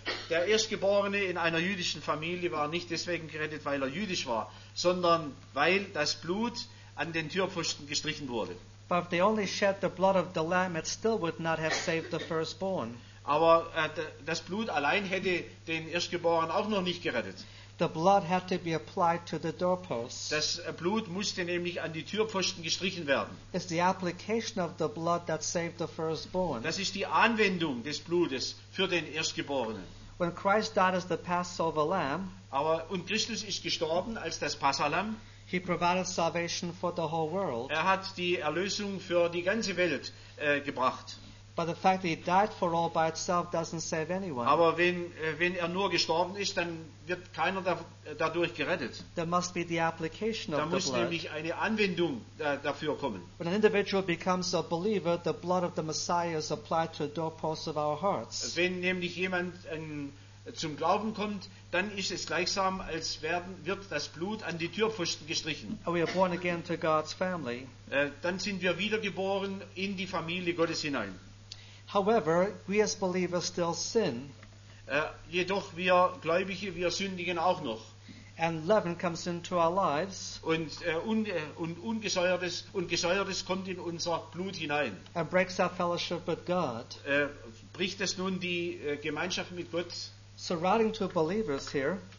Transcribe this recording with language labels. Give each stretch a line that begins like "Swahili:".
German: Der Erstgeborene in einer jüdischen Familie war nicht deswegen gerettet, weil er jüdisch war, sondern weil das Blut an den Türpfosten gestrichen wurde.
English: But if they only shed the blood of the lamb, it still would not have saved the firstborn.
German: Aber das Blut allein hätte den Erstgeborenen auch noch nicht gerettet.
English: The blood had to be applied to the doorposts.
German: Das Blut musste nämlich an die Türpfosten gestrichen werden.
English: It's the application of the blood that saved the firstborn.
German: Das ist die Anwendung des Blutes für den Erstgeborenen.
English: When Christ died as the Passover lamb,
German: und Christus ist gestorben als das Passalam.
English: He provided salvation for the whole world.
German: Er hat die Erlösung für die ganze Welt gebracht.
English: But the fact that he died for all by itself doesn't save anyone.
German: Aber wenn er nur gestorben ist, dann wird keiner dadurch gerettet.
English: There must be the application of the blood.
German: Da muss nämlich eine Anwendung dafür kommen.
English: When an individual becomes a believer, the blood of the Messiah is applied to the doorposts of our hearts.
German: Wenn nämlich jemand zum Glauben kommt, dann ist es gleichsam, als wird das Blut an die Türpfosten gestrichen.
English: We are born again to God's family.
German: Dann sind wir wiedergeboren in die Familie Gottes hinein.
English: However, we as believers still sin.
German: Jedoch wir Gläubige, wir sündigen auch noch.
English: And leaven comes into our lives.
German: Und ungesäuertes kommt in unser Blut hinein.
English: And breaks our fellowship with God.
German: Bricht es nun die Gemeinschaft mit Gott?
English: So writing to believers here.